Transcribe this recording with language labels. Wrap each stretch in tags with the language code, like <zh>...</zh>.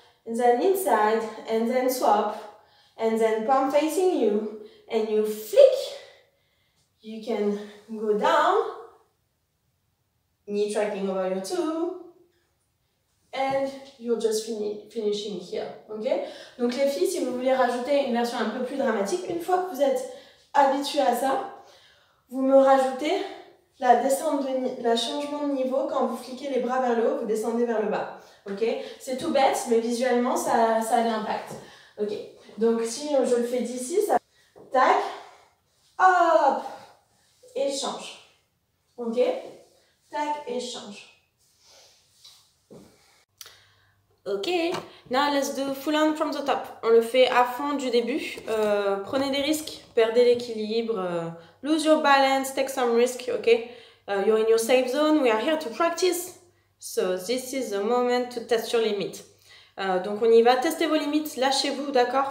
<en>And then inside, and then swap, and then palm facing you, and you flick. You can go down, knee tracking over your toe, and you're just finishing here, okay?</en> <fr>Donc les filles, si vous voulez rajouter une version un peu plus dramatique, une fois que vous êtes habituées à ça, vous me rajoutez la descente de la changement de niveau quand vous fliquez les bras vers le haut, vous descendez vers le bas. Ok, c'est tout bête, mais visuellement ça a l'impact. Ok, donc si je le fais d'ici, ça tac, hop, échange. Ok, tac, échange.</fr> <en>Ok, now let's do full on from the top.</en> <fr>On le fait à fond du début. Prenez des risques, perdez l'équilibre,</fr> <en>lose your balance, take some risk. Ok, you're in your safe zone. We are here to practice. So, this is the moment to test your limit.</en> <fr>Donc on y va, testez vos limites, lâchez-vous, d'accord?</fr>